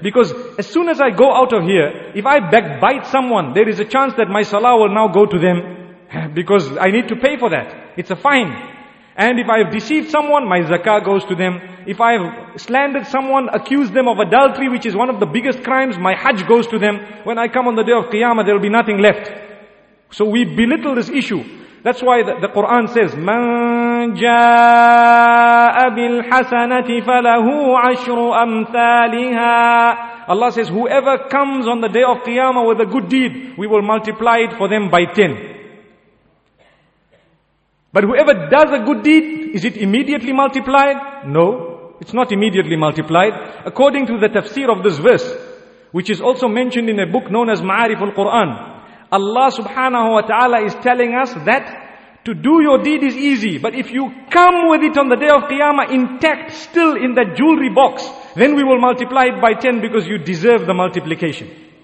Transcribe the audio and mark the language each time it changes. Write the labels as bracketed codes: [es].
[en] Because as soon as I go out of here, if I backbite someone, there is a chance that my salah will now go to them because I need to pay for that. It's a fine. And if I have deceived someone, my zakah goes to them. If I have slandered someone, accused them of adultery, which is one of the biggest crimes, my hajj goes to them. When I come on the day of Qiyamah, there will be nothing left. So we belittle this issue. That's why the Quran says, [ar] من جاء بالحسنة فله عشر أمثالها. [en] Allah says, whoever comes on the day of Qiyamah with a good deed, we will multiply it for them by 10. But whoever does a good deed, is it immediately multiplied? No, it's not immediately multiplied. According to the tafsir of this verse, which is also mentioned in a book known as Ma'arif al-Quran, Allah subhanahu wa ta'ala is telling us that to do your deed is easy, but if you come with it on the day of Qiyamah intact, still in that jewelry box, then we will multiply it by 10 because you deserve the multiplication.